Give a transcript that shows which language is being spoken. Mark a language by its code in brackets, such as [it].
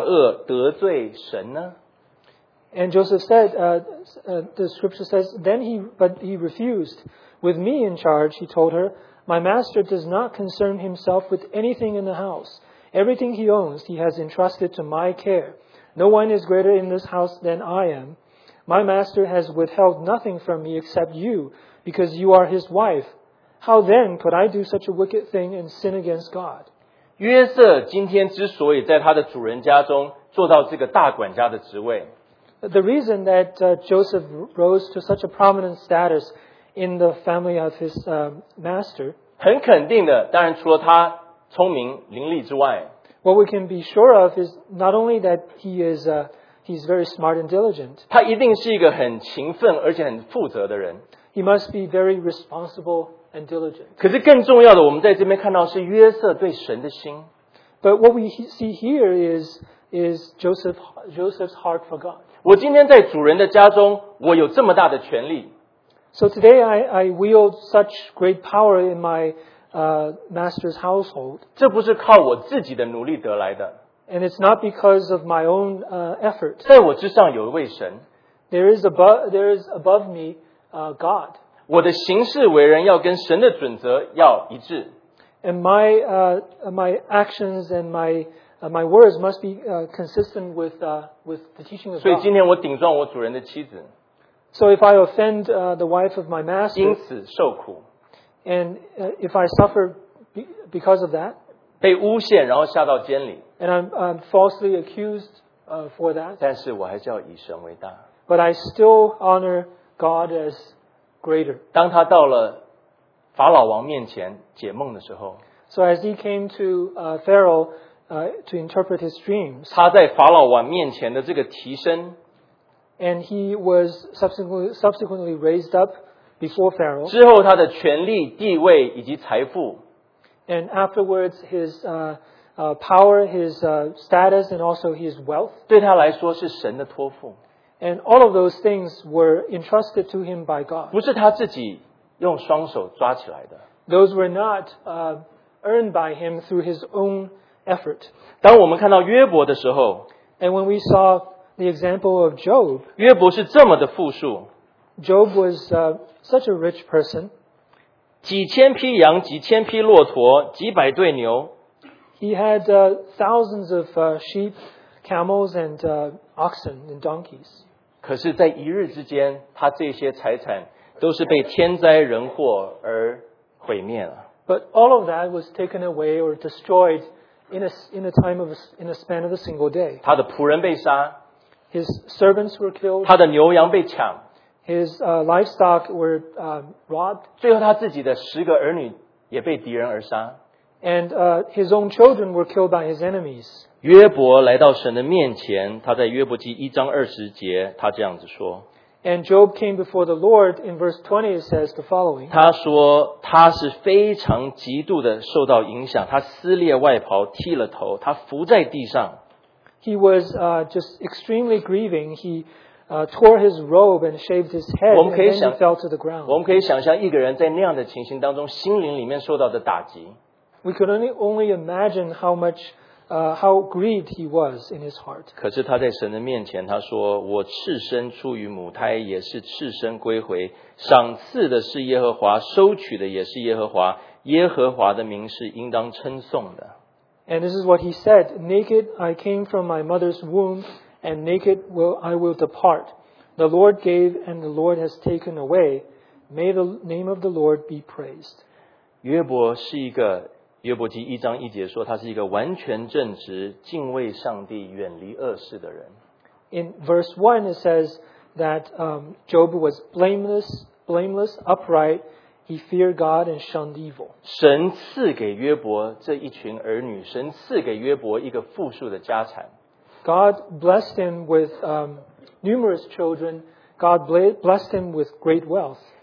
[zh] 约瑟不从他对他主人的妻子这样说，看啊，一切的家务我主人都不知道，他把所有的都交在我手里，在这家里没有比我大的，并且他没有留下一样不交给我，只留下了你，因为这是你是他的妻子，我怎能做这大恶得罪神呢？ [en] And Joseph said, the scripture says, but he refused. With me in charge, he told her, my master does not concern himself with anything in the house. Everything he owns, he has entrusted to my care. No one is greater in this house than I am. My master has withheld nothing from me except you, because you are his wife. How then could I do such a wicked thing and sin against God? [zh] 约瑟今天之所以在他的主人家中做到这个大管家的职位， [en] the reason that Joseph rose to such a prominent status in the family of his master, [zh] 很肯定的, 当然除了他聪明伶俐之外, [en] what we can be sure of is not only that he is he's very smart and diligent, [zh] 他一定是一个很勤奋而且很负责的人, [en] he must be very responsible and diligent. [zh] 可是更重要的, 我们在这边看到是约瑟对神的心, [en] but what we see here is Joseph's heart for God. [zh] 我今天在主人的家中, 我有这么大的权利。 [en] So today I wield such great power in my master's household. [zh] 这不是靠我自己的努力得来的。 [en] And it's not because of my own effort. [zh] 在我之上有一位神。 [en] There is above me God. [zh] 我的行事为人要跟神的准则要一致。 [en] And my actions and my words must be consistent with the teaching of God. [zh] 所以今天我顶撞我主人的妻子。 [en] So if I offend the wife of my master, [zh] 因此受苦, [en] and if I suffer because of that, [zh] 被诬陷, 然后下到监里, [en] and I'm falsely accused for that, [zh] 但是我还叫以神为大, [en] but I still honor God as greater. [zh] 当他到了法老王面前解梦的时候, [en] so as he came to Pharaoh to interpret his dreams, [zh] 他在法老王面前的这个提升, [en] and he was subsequently raised up before Pharaoh. [zh] 之后他的权力地位以及财富, [en] and afterwards his power, his status, and also his wealth. [zh] 对他来说是神的托付, [en] and all of those things were entrusted to him by God. [zh] 不是他自己用双手抓起来的, [en] those were not earned by him through his own effort. [zh] 当我们看到约伯的时候, [en] and when we saw the example of Job, [zh] 约伯是这么的富庶, [en] Job was such a rich person. [zh] 几千匹羊, 几千匹骆驼, 几百对牛, [en] he had thousands of sheep, camels, and oxen, and donkeys. [zh] 可是在一日之间, 他这些财产都是被天灾人祸而毁灭了。 [en] But all of that was taken away or destroyed in a span of a single day. [zh] 他的仆人被杀, [en] his servants were killed. [zh] 他的牛羊被抢, [en] his livestock were robbed. [zh] 最后他自己的十个儿女也被敌人而杀。 [en] And his own children were killed by his enemies. [zh] 约伯来到神的面前, 他在约伯记1章20节, 他这样子说, [en] and Job came before the Lord in verse 20, it says the following. [zh] 他说他是非常极度的受到影响, 他撕裂外袍, 剃了头, 他伏在地上。 [en] He was just extremely grieving. He tore his robe and shaved his head, and then he fell to the ground. [zh] 我们可以想象一个人在那样的情形当中, 心灵里面受到的打击。 [en] We could only imagine how much, how grieved he was in his heart. [zh] 可是他在神的面前他说, 我赐身出于母胎也是赐身归回, 赏赐的是耶和华, 收取的也是耶和华, 耶和华的名是应当称颂的。 [en] And this is what he said, naked I came from my mother's womb, and naked I will depart. The Lord gave, and the Lord has taken away. May the name of the Lord be praised. [zh] 约伯是一个, 约伯记1章1节说, 他是一个完全正直, 敬畏上帝, 远离恶事的人。 [en] In verse 1, it says that Job was blameless, upright. He feared God and shunned evil. [zh] 神赐给约伯这一群儿女, 神赐给约伯一个富庶的家产。 [en] God blessed him with numerous children. God blessed him with great wealth.